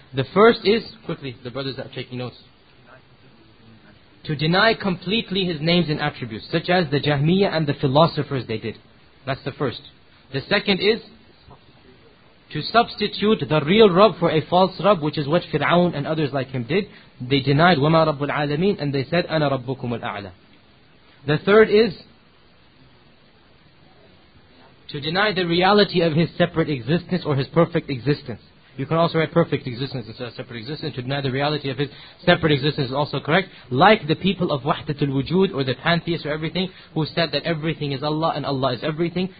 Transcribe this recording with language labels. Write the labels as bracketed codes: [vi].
[en] The first is, quickly, the brothers that are taking notes, to deny completely his names and attributes, such as the Jahmiya and the philosophers they did. That's the first. The second is, to substitute the real Rabb for a false Rabb, which is what Fir'aun and others like him did. They denied, [ar] وَمَا رَبُّ الْعَالَمِينَ, [en] and they said, [ar] أَنَا رَبُّكُمُ الْأَعْلَى. [en] The third is, to deny the reality of his separate existence or his perfect existence. You can also write perfect existence instead of separate existence. To deny the reality of his separate existence is also correct. Like the people of Wahdatul Wujud or the pantheists or everything, who said that everything is Allah and Allah is everything.